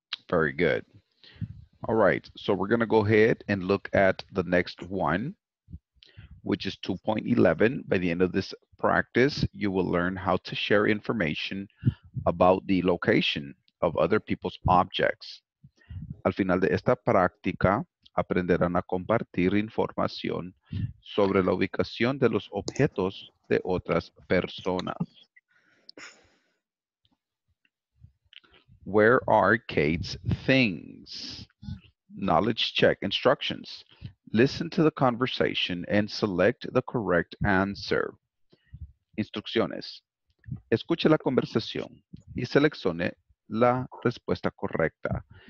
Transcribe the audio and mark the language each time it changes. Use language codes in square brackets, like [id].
[en] Very good. All right, so we're going to go ahead and look at the next one, which is 2.11. By the end of this practice, you will learn how to share information about the location of other people's objects. [es] Al final de esta práctica, aprenderán a compartir información sobre la ubicación de los objetos de otras personas. [en] Where are Kate's things? Knowledge check instructions. Listen to the conversation and select the correct answer. [es] Instrucciones. Escuche la conversación y seleccione la respuesta correcta.